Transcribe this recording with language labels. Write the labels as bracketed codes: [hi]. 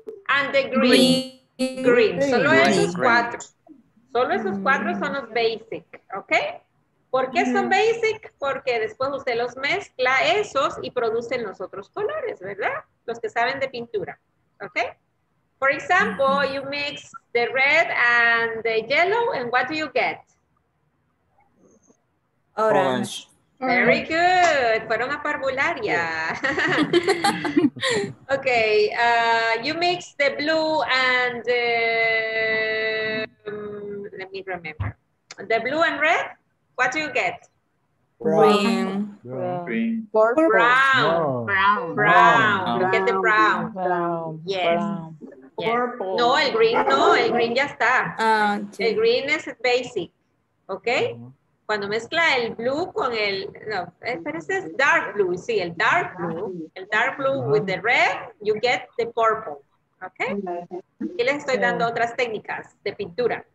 [en] And the green. Green. [es] Solo esos cuatro. Solo esos cuatro son los basic. Okay. ¿Por qué son basic? Porque después usted los mezcla esos y producen los otros colores, ¿verdad? Los que saben de pintura, ¿ok? [en] For example, you mix the red and the yellow, and what do you get? Orange. Very good. [es] Fueron a parvularia. [en] Ok, you mix the blue and the... let me remember. The blue and red? What do you get? Green. Brown. Brown. Brown. Brown. Brown. Look at the brown. Brown. Yes. Purple. [es] No, el green no, el green ya está. Sí. El green es basic. ¿Ok? Cuando mezcla el blue con el... No, pero ese es dark blue. Sí, el dark blue. [en] El dark blue with the red, you get the purple. ¿Ok? [es] Aquí les estoy dando otras técnicas de pintura.